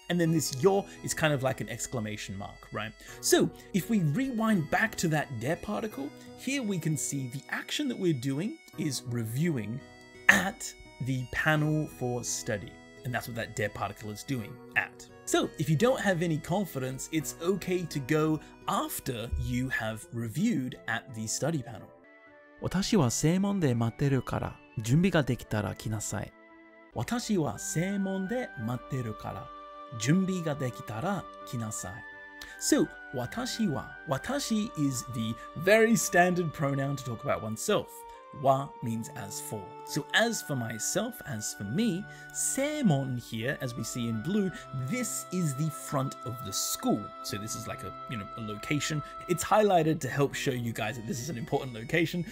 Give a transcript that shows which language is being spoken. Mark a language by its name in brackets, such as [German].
[English] And then this yo is kind of like an exclamation mark, right? So if we rewind back to that de particle, here we can see the action that we're doing is reviewing at the panel for study. And that's what that de particle is doing, at. So if you don't have any confidence, it's okay to go after you have reviewed at the study panel. [Japanese] 私は正門で待ってるから準備ができたら来なさい。私は正門で待ってるから準備ができたら来なさい。 [English] So, [Japanese] 私は, [English] 私 is the very standard pronoun to talk about oneself. Wa means as for. So as for myself, as for me, 正門 here, as we see in blue, this is the front of the school. So this is like a, you know, a location. It's highlighted to help show you guys that this is an important location.